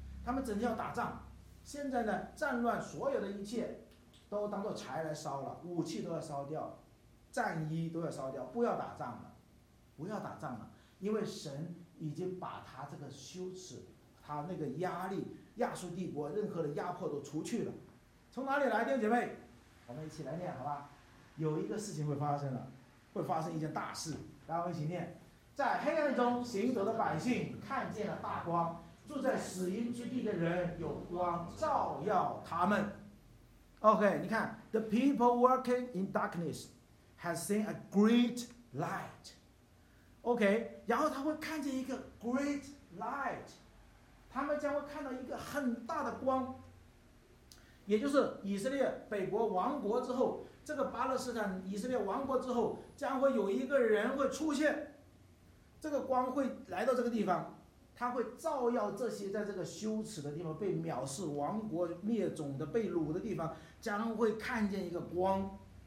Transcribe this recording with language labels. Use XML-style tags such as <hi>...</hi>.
<zh>他们整天要打仗，现在呢，战乱，所有的一切都当做柴来烧了，武器都要烧掉，战衣都要烧掉，不要打仗了，不要打仗了，因为神已经把他这个羞耻、他那个压力、亚述帝国任何的压迫都除去了。从哪里来？弟兄姐妹，我们一起来念好吧。有一个事情会发生了，会发生一件大事，来，我们一起念。在黑暗中行走的百姓看见了大光，住在死荫之地的人有光照耀他们。</zh> <en>OK，</en> <zh>你看</zh> <en>The people working in darkness has seen a great light。</en> <zh>OK， 然后他会看见一个</zh> <en>great light，</en> <zh>他们将会看到一个很大的光，也就是以色列北国亡国之后，这个巴勒斯坦以色列王国之后将会有一个人会出现，这个光会来到这个地方，他会照耀这些在这个羞耻的地方被藐视、亡国灭种的、被掳的地方，将会看见一个光。</zh>